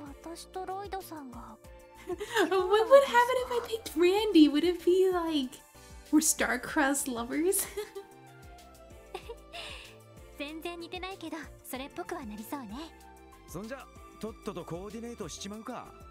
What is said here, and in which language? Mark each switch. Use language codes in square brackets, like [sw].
[ja] 君くらいの子なら去年も見かけたことはあるよ。辺境の小国あたりから来た。よなれていない貴族の兄弟。そんな設定でいいんじゃない？なるほど。私とロイドさんが。What [en] would happen if I picked Randy? Would it be like we're star-crossed lovers? [ja] 全然似てないけど、それっぽくはなりそうね。そんじゃとっととコーディネートしちまうか。